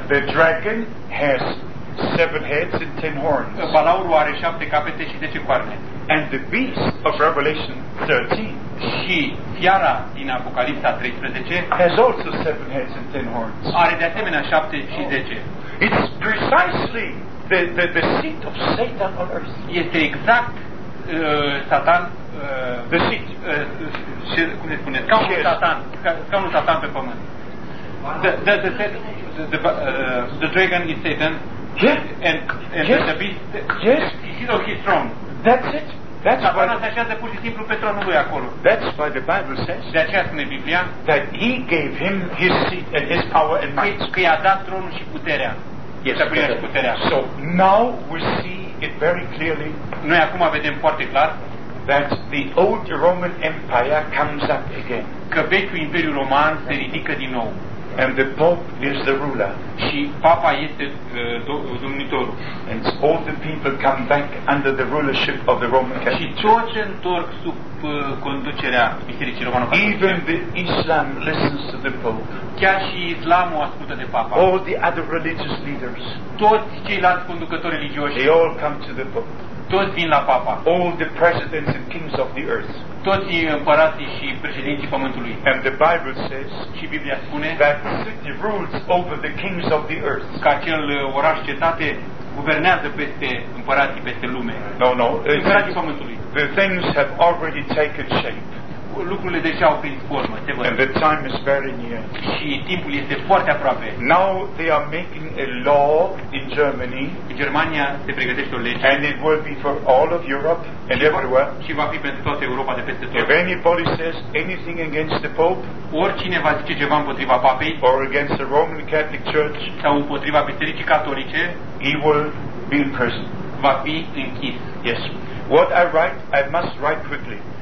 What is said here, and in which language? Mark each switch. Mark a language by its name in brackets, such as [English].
[English] The dragon has seven heads and ten horns. [Romanian] Palaurul are șapte capete și 10 coarne. [English] And the beast of Revelation 13. [Romanian] Și fiara din Apocalipsa 13 [English] has also seven heads and ten horns. [Romanian] Are de asemenea 7 și 10. [English] It's precisely the seat of Satan on earth. [Romanian] Este exact Satan, [English] the seat, [Romanian] cum se spune, scaunul yes. Satan, scaunul Satan pe pământ. [English] The dragon is Satan. Yes. And yes. The beast. Yes. He is on his throne. That's it. That's why the Bible says that he gave him his seat and his power and might. [Romanian] Că i-a dat tronul și puterea. [English] Yes, puterea. So now we see it very clearly. [Romanian] Noi acum vedem foarte clar [English] that the old Roman Empire comes up again. [Romanian] Că vechiul Imperiu Roman se ridică din nou. [English] And the Pope is the ruler. [Romanian] Și Papa este domnitorul. [English] And all the people come back under the rulership of the Roman Catholic. [Romanian] Și toți se întorc sub conducerea Bisericii Romano-Catolice. [English] Even the Islam listens to the Pope. [Romanian] Chiar și Islamul ascultă de Papa. [English] All the other religious leaders. [Romanian] Toți ceilalți conducători religioși. [English] They all come to the Pope. [Romanian] Toți vin la Papa. [English] All the presidents and kings of the earth. [Romanian] Toți împărații și președinții pământului. [English] And the Bible says, [Romanian] și Biblia spune, [English] that city rules over the kings of the earth. [Romanian] Că acel oraș cetate guvernează peste împărații, peste lume. [English] No, no. [Romanian] Împărații pământului. [English] The things have already taken shape. [Romanian] Lucrurile deja au prins formă, se văd. [English] And the time is very near. [Romanian] Și timpul este foarte aproape. [English] Now they are making a law in Germany. [Romanian] În Germania se pregătește o lege. [English] And it will be for all of Europe and everywhere. [Romanian] Și va fi pentru toată Europa de peste tot. [English] If anybody says anything against the Pope, [Romanian] oricine va zice ceva împotriva Papei, [English] or against the Roman Catholic Church, [Romanian] sau împotriva Bisericii Catolice, [English] he will be in prison. [Romanian] Va fi închis. [English] Yes. What I write, I must write quickly.